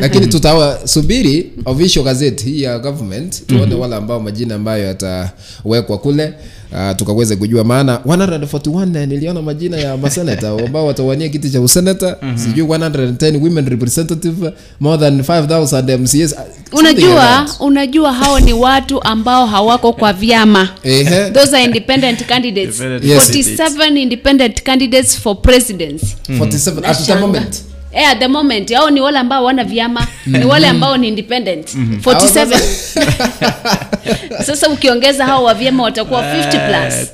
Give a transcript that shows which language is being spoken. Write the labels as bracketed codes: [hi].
[sw] Lakini tutawa subiri official gazette hii ya government tuone wale ambao majina ambayo yatawekwa kule. Tukaweze kujua maana 141 niliona majina ya masenator ambao watawania kiti cha usenator. Sijui 110 [en] women representative, more than 5000 MCs. [sw] Unajua hao ni watu ambao hawako kwa vyama. [en] Those are independent candidates. Yes. 47 independent candidates for presidency. 47 at the moment. Yeah, at the moment, [sw] hao ni wale ambao wana vyama, ni wale ambao ni independent. 47. Sasa ukiongeza hao wa vyama watakuwa 50 plus.